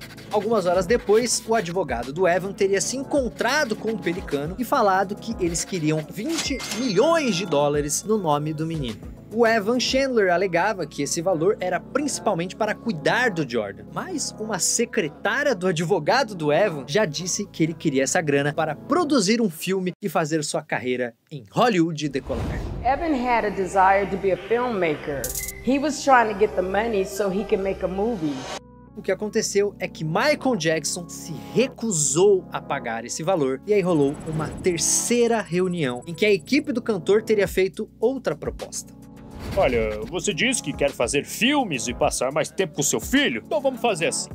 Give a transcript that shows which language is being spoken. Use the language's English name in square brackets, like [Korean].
[Portuguese] Algumas horas depois, o advogado do Evan teria se encontrado com o Pelicano e falado que eles queriam 20 milhões de dólares no nome do menino. O Evan Chandler alegava que esse valor era principalmente para cuidar do Jordan, mas uma secretária do advogado do Evan já disse que ele queria essa grana para produzir um filme e fazer sua carreira em Hollywood decolar. [English] Evan had a desire to be a filmmaker. He was trying to get the money so he could make a movie. [Portuguese] O que aconteceu é que Michael Jackson se recusou a pagar esse valor e aí rolou uma terceira reunião em que a equipe do cantor teria feito outra proposta. Olha, você disse que quer fazer filmes e passar mais tempo com seu filho? Então vamos fazer assim.